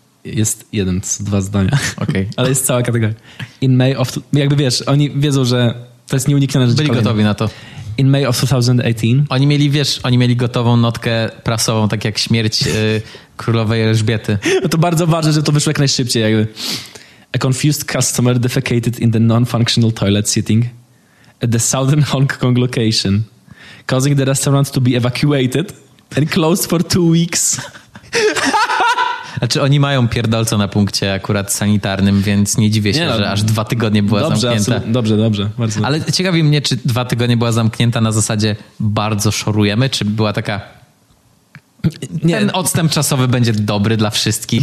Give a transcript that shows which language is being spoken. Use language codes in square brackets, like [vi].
[pl] Jest jeden, to są dwa zdania. Okay. Ale jest cała kategoria. [en] In May of... [pl] Jakby wiesz, oni wiedzą, że to jest nieuniknione rzecz. Byli kolejne. Gotowi na to. [en] In May of 2018... [pl] Oni mieli gotową notkę prasową, tak jak śmierć królowej Elżbiety. No to bardzo ważne, żeby to wyszło jak najszybciej. Jakby. [en] A confused customer defecated in the non-functional toilet sitting at the southern Hong Kong location, causing the restaurant to be evacuated and closed for 2 weeks. [pl] Znaczy oni mają pierdolca na punkcie akurat sanitarnym, więc nie dziwię się, że aż 2 tygodnie była zamknięta. Dobrze, bardzo. Ale ciekawi mnie, czy 2 tygodnie była zamknięta na zasadzie bardzo szorujemy, czy była taka... Nie. Ten odstęp czasowy będzie dobry dla wszystkich.